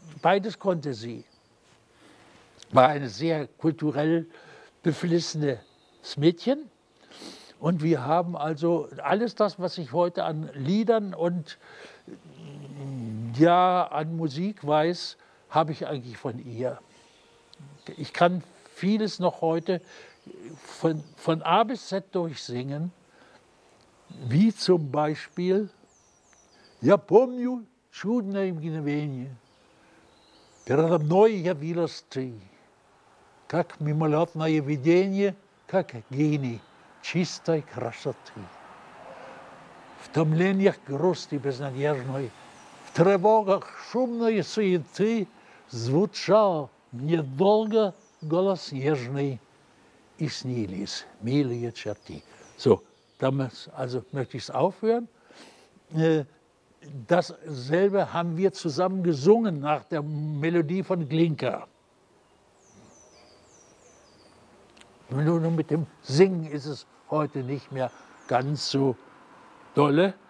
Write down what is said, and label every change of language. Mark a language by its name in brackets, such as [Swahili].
[German] Beides konnte sie. War eine sehr kulturell beflissenes Mädchen. Und wir haben also alles das, was ich heute an Liedern und ja, an Musik weiß, habe ich eigentlich von ihr. Ich kann vieles noch heute von A bis Z durchsingen, wie zum Beispiel [Russian] «Я помню чудное мгновение, передо мной явилась ты, как мимолетное видение, как гений чистой красоты. В томлениях грусти безнадежной, в тревогах шумной суеты звучал мне долго голос нежный, и снились милые черты». [German] So, damals, also möchte ich es aufhören. Dasselbe haben wir zusammen gesungen nach der Melodie von Glinka. Nur mit dem Singen ist es heute nicht mehr ganz so dolle.